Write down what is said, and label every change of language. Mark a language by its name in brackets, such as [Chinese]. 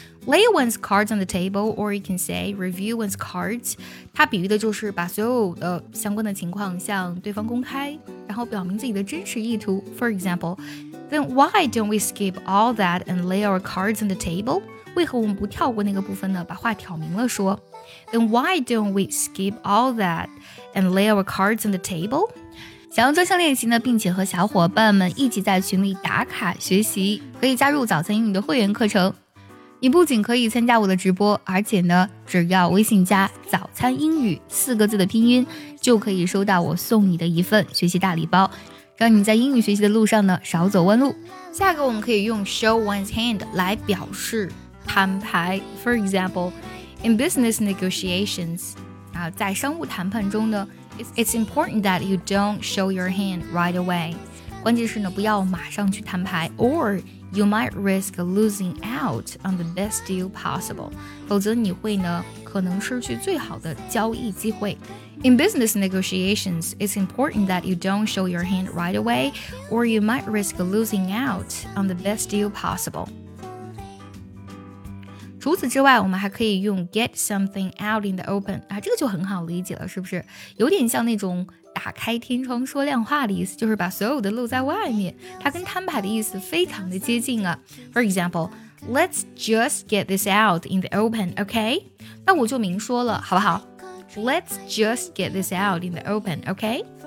[English] Lay one's cards on the table, or you can say review one's cards. [Chinese] 它比喻的就是把所有的相关的情况向对方公开，然后表明自己的真实意图。 [English] For example, then why don't we skip all that and lay our cards on the table? [Chinese] 为何我们不跳过那个部分呢？把话挑明了说。 [English] Then why don't we skip all that and lay our cards on the table? [Chinese] 想要专项练习呢，并且和小伙伴们一起在群里打卡学习，可以加入早餐英语的会员课程。你不仅可以参加我的直播，而且呢，只要微信加早餐英语四个字的拼音，就可以收到我送你的一份学习大礼包，让你在英语学习的路上呢少走弯路。下一个我们可以用 show one's hand 来表示摊牌。 [English] For example, in business negotiations, [Chinese] 在商务谈判中呢， [English] It's important that you don't show your hand right away. [Chinese] 关键是呢，不要马上去摊牌 [English] or you might risk losing out on the best deal possible. [Chinese] 否则你会呢，可能失去最好的交易机会。 [English] In business negotiations, it's important that you don't show your hand right away or you might risk losing out on the best deal possible. [Chinese] 除此之外，我们还可以用 [English] get something out in the open [Chinese] 啊，这个就很好理解了，是不是？有点像那种打开天窗说亮话的意思，就是把所有的露在外面，它跟摊牌的意思非常的接近啊。 [English] For example, let's just get this out in the open, okay? [Chinese] 那我就明说了，好不好？ [English] Let's just get this out in the open, okay?